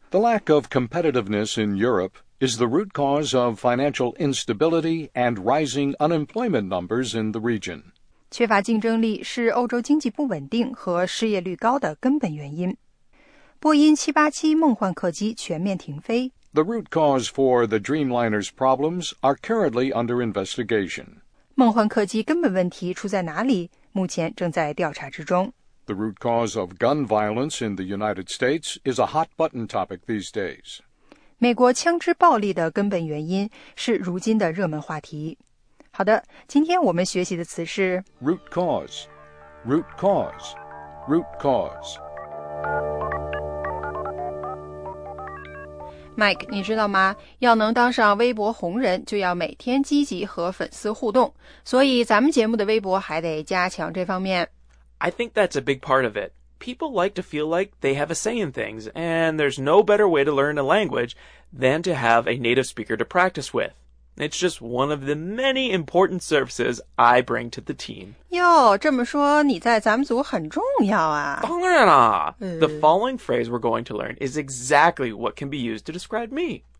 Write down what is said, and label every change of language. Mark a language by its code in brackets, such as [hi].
[en] The lack of competitiveness in Europe is the root cause of financial instability and rising unemployment numbers in the region. [zh] 缺乏竞争力是欧洲经济不稳定和失业率高的根本原因。波音787梦幻客机全面停飞。 [en] The root cause for the Dreamliner's problems are currently under investigation. [zh] 梦幻客机根本问题出在哪里？目前正在调查之中。 [en] The root cause of gun violence in the United States is a hot-button topic these days. [zh] 美国枪支暴力的根本原因是如今的热门话题。好的，今天我们学习的词是 [en] root cause, root cause, root cause. [zh] Mike, 你知道吗？要能当上微博红人，就要每天积极和粉丝互动，所以咱们节目的微博还得加强这方面。 [en] I think that's a big part of it. People like to feel like they have a say in things, and there's no better way to learn a language than to have a native speaker to practice with. It's just one of the many important services I bring to the team. [zh] 哟，这么说你在咱们组很重要啊。当然啊。 [en] The following phrase we're going to learn is exactly what can be used to describe me.